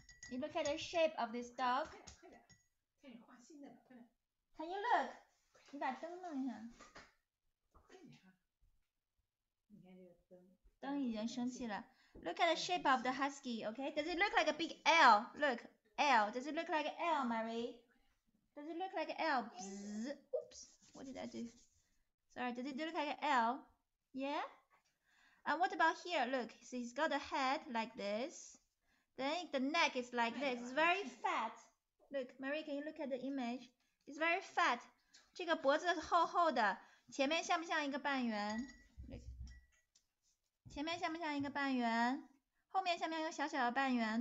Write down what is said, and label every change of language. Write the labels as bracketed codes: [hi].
[en] You look at the shape of this dog. [zh] 快点，快点，看你画新的了，快点。 [en] Can you look? [zh] 你把灯弄一下。你看这个灯。灯已经生气了。 [en] Look at the shape of the husky, okay? Does it look like a big L? Look, L. Does it look like an L, Mary? Does it look like an L? Bzz. Oops. What did I do? Sorry. Does it look like an L? Yeah. And what about here? Look. So he's got a head like this. Then the neck is like this. It's very fat. Look, Marie, can you look at the image? It's very fat. [zh] 这个脖子厚厚的，前面像不像一个半圆？ Look. 前面像不像一个半圆？后面像不像一个小小的半圆？